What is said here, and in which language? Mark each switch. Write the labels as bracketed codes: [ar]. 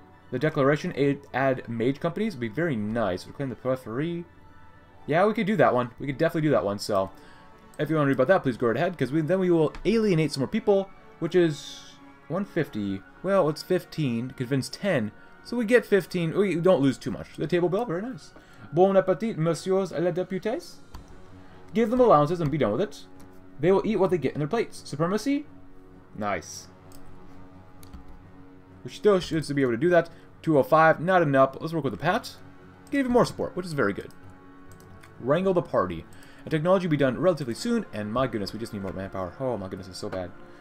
[en] The declaration, add mage companies would be very nice. Reclaim the periphery. Yeah, we could do that one. We could definitely do that one. So, if you want to read about that, please go right ahead. Because then we will alienate some more people, which is 150. Well, it's 15. Convince 10. So we get 15. We don't lose too much. The table bill, very nice. [fr] Bon appétit, messieurs les députés. [en] Give them allowances and be done with it. They will eat what they get in their plates. Supremacy? Nice. We still should be able to do that. 205, not enough. Let's work with the Pat. Get even more support, which is very good. Wrangle the party. A technology will be done relatively soon, and my goodness, we just need more manpower. Oh my goodness, it's so bad.